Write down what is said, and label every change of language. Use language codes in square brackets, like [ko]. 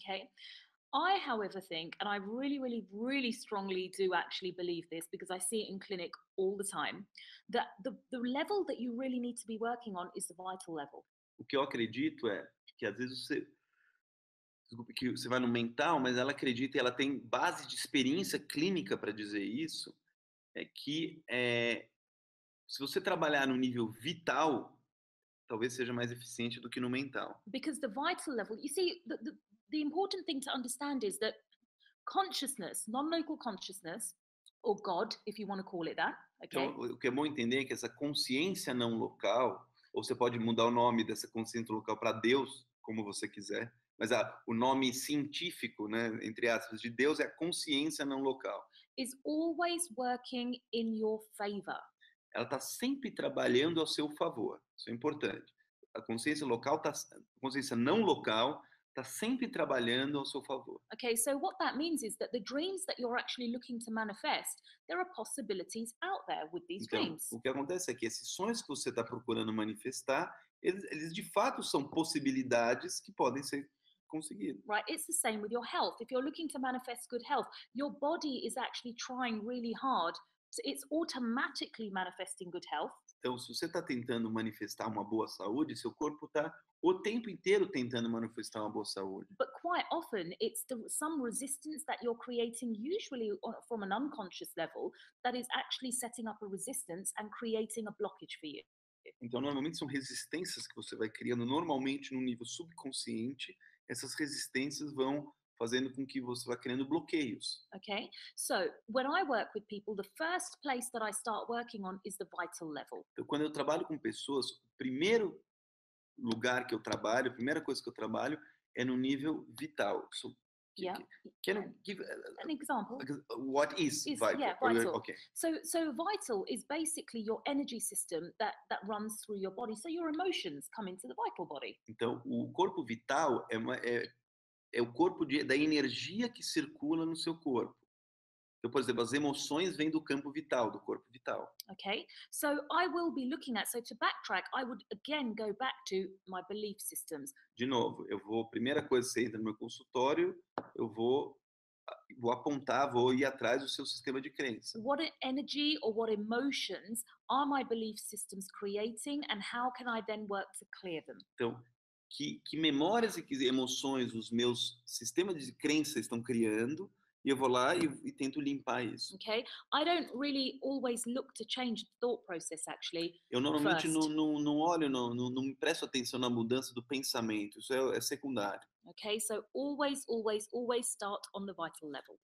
[en] Okay. I, however, think, and I really, really, really strongly do actually believe this because I see it in clinic all the time, that the level that you really need to be working on is the vital level. [pt] O que eu acredito é que às vezes você, desculpe, que você vai no mental, mas ela acredita e ela tem base de experiência clínica para dizer isso, é que se você trabalhar no nível vital, talvez seja mais eficiente do que no mental. [en] Because the vital level, you see, the important thing to understand is that consciousness, non-local consciousness, or God, if you want to call it that, okay? [pt] Então, o que é bom entender é que essa consciência não local, ou você pode mudar o nome dessa consciência local para Deus, como você quiser, mas o nome científico, né, entre aspas, de Deus é a consciência não local. [en] Is always working in your favor. [pt] Ela está sempre trabalhando ao seu favor. Isso é importante. A consciência local a consciência não local está sempre trabalhando ao seu favor. [en] Okay, so what that means is that the dreams that you're actually looking to manifest, there are possibilities out there with these dreams. [pt] O que acontece é que esses sonhos que você está procurando manifestar, eles de fato são possibilidades que podem ser conseguidas. [en] Right, it's the same with your health. If you're looking to manifest good health, your body is actually trying really hard. So it's automatically manifesting good health. [pt] Então, se você está tentando manifestar uma boa saúde, seu corpo está o tempo inteiro tentando manifestar uma boa saúde. [en] But quite often, it's some resistance that you're creating, usually from an unconscious level, that is actually setting up a resistance and creating a blockage for you. [pt] Então, normalmente são resistências que você vai criando, normalmente no nível subconsciente, essas resistências vão fazendo com que você vá criando bloqueios. [en] Okay. So, when I work with people, the first place that I start working on is the vital level. [pt] Então, quando eu trabalho com pessoas, o primeiro lugar que eu trabalho, a primeira coisa que eu trabalho é no nível vital. [en] So, yeah. Can you give an example? What is vital? Yeah, vital. Okay. So vital is basically your energy system that runs through your body. So your emotions come into the vital body. [pt] Então, o corpo vital é o corpo da energia que circula no seu corpo. Então, por exemplo, as emoções vêm do campo vital, do corpo vital. [en] Okay. So I will be looking at, so to backtrack, I would again go back to my belief systems. [pt] De novo, eu vou, primeira coisa, você entra no meu consultório, eu vou apontar, vou ir atrás do seu sistema de crença. [en] What energy or what emotions are my belief systems creating and how can I then work to clear them? [pt] Então, Que memórias e que emoções os meus sistemas de crença estão criando, e eu vou lá e tento limpar isso. [en] Okay. I don't really always look to change the thought process, actually. [pt] Eu normalmente não olho, não me presto atenção na mudança do pensamento. Isso é secundário. [en] Okay, so always, always, always start on the vital level.